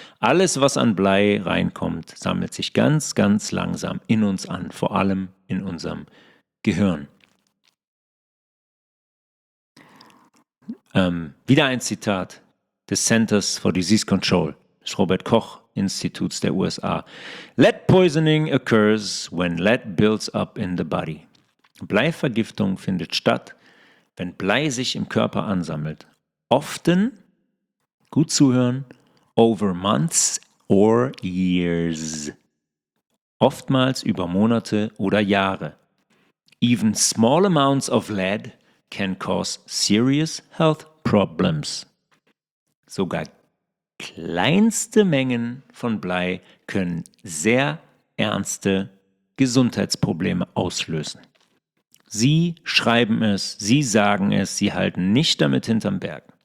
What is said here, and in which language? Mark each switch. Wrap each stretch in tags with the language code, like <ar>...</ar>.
<de>Alles, was an Blei reinkommt, sammelt sich ganz, ganz langsam in uns an. Vor allem in unserem Gehirn. Wieder ein Zitat des Centers for Disease Control, des Robert Koch Instituts der USA.</de> <en>Lead poisoning occurs when lead builds up in the body.</en> <de>Bleivergiftung findet statt, wenn Blei sich im Körper ansammelt.</de> <en>Often,</en> <de>gut zuhören,</de> <en>over months or years.</en> <de>Oftmals über Monate oder Jahre.</de> <en>Even small amounts of lead can cause serious health problems.</en> <de>Sogar kleinste Mengen von Blei können sehr ernste Gesundheitsprobleme auslösen. Sie schreiben es, sie sagen es, sie halten nicht damit hinterm Berg.</de>